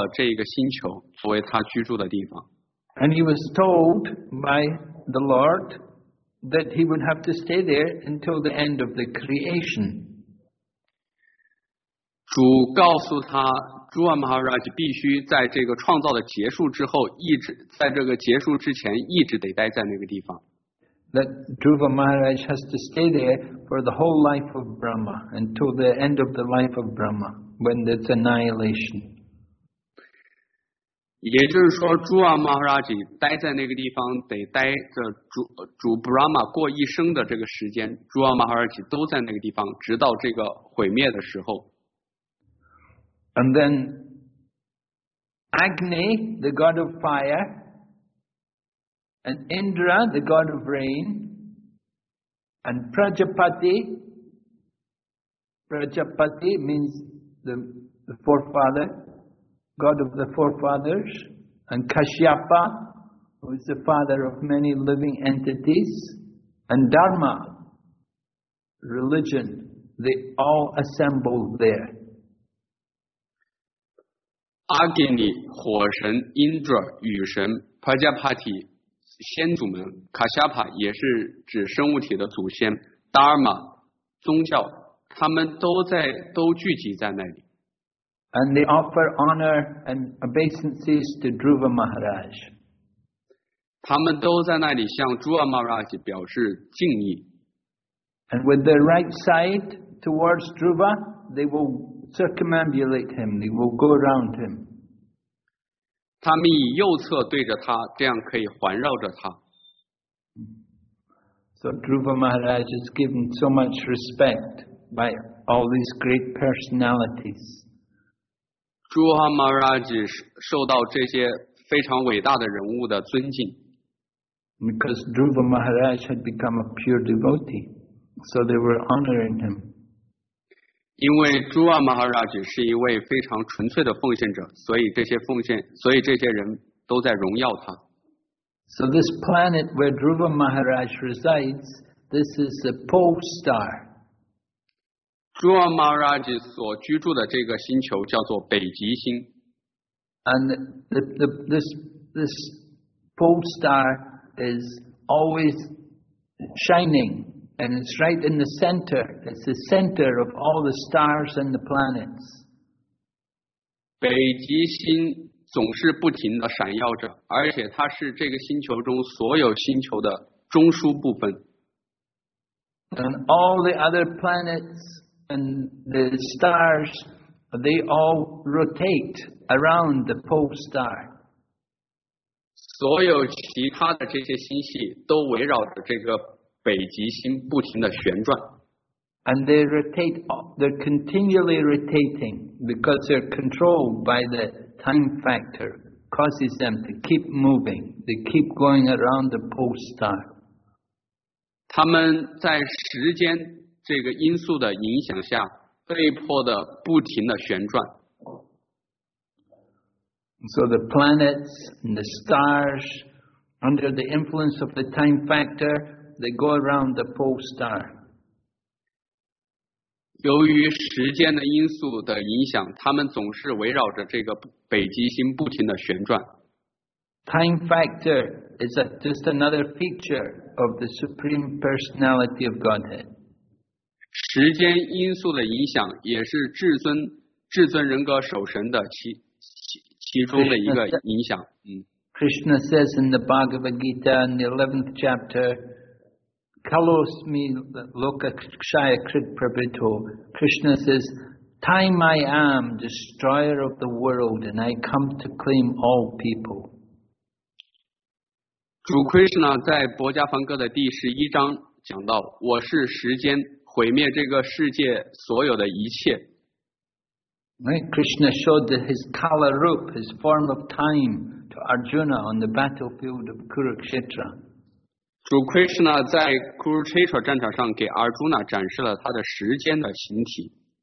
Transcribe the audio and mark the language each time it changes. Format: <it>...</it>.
<zh>我们之前知道，朱瓦马哈拉他想得到一个益处，就是他想有一个国王，有一个国家，一个王国。最后，他被得到了这个星球作为他居住的地方。</zh> <en>And he was told by the Lord that he would have to stay there until the end of the creation.</en> <zh>主告诉他，朱阿玛哈拉吉必须在这个创造的结束之后，一直在这个结束之前，一直得待在那个地方。</zh> <en>That Dhruva Maharaj has to stay there for the whole life of Brahma until the end of the life of Brahma when there's annihilation.</en> <zh>也就是说，朱阿玛哈拉吉待在那个地方，得待着主 Brahma 过一生的这个时间，朱阿玛哈拉吉都在那个地方，直到这个毁灭的时候。</zh> <en>And then Agni, the god of fire. And Indra, the god of rain, and Prajapati. Prajapati means the forefather, god of the forefathers, and Kashyapa, who is the father of many living entities, and Dharma, religion, they all assembled there.</en> <zh>Agni, 火神 Indra, 雨神 Prajapati. 先祖们卡夏帕也是指生物体的祖先达尔玛宗教他们都聚集在那里</zh> <en>and they offer honor and obeisances to Dhruva Maharaj</en> <zh>他们都在那里向朱阿玛哈拉吉表示敬意</zh> <en>and with their right side towards Dhruva they will circumambulate him they will go around him</en> <zh>他们以右侧对着他，这样可以环绕着他。</zh> <en>So Dhruva Maharaj is given so much respect by all these great personalities.</en> <zh>Dhruva Maharaj 受到这些非常伟大的人物的尊敬。</zh> <en>Because Dhruva Maharaj had become a pure devotee, so they were honoring him.</en> <zh>因为朱阿玛哈拉吉是一位非常纯粹的奉献者，所以这些奉献，所以这些人都在荣耀他。</zh> <en>So this planet where Dhruva Maharaj resides, this is the pole star.</en> <zh>朱阿玛哈拉吉所居住的这个星球叫做北极星。</zh> <en>And this pole star is always shining. And it's right in the center. It's the center of all the stars and the planets.</en> <zh>北极星总是不停地闪耀着，而且它是这个星球中所有星球的中枢部分。</zh> <en>And all the other planets and the stars, they all rotate around the pole star.</en> <zh>所有其他的这些星系都围绕着这个。北极星不停地旋转</zh> <en>and they rotate, they're continually rotating because they're controlled by the time factor causes them to keep moving they keep going around the pole star</en> <zh>他们在时间这个因素的影响下被迫地不停地旋转</zh> <en>so the planets and the stars under the influence of the time factorThey go around the pole star.</en> <zh>由于时间的因素的影响，他们总是围绕着这个北极星不停的旋转。</zh> <en>Time factor is just another feature of the Supreme Personality of Godhead.</en> <zh>时间因素的影响也是至尊人格守神的其中的一个影响。</zh> <en>Krishna says in the Bhagavad Gita in the 11th chapter.</en> <sa>Kalosmi loka kshaya krit prabhito.</sa> <en>Krishna says, Time I am, destroyer of the world, and I come to claim all people.</en> <zh>主 Krishna 在《薄伽梵歌》的第十一章讲到，我是时间，毁灭这个世界所有的一切。</zh> <en>Right? Krishna showed that his Kala Rup, his form of time, to Arjuna on the battlefield of Kurukshetra.</en> <zh>主 Krishna 在 Kurukshetra 战场上给 Arjuna 展示了他的时间的形体。</zh>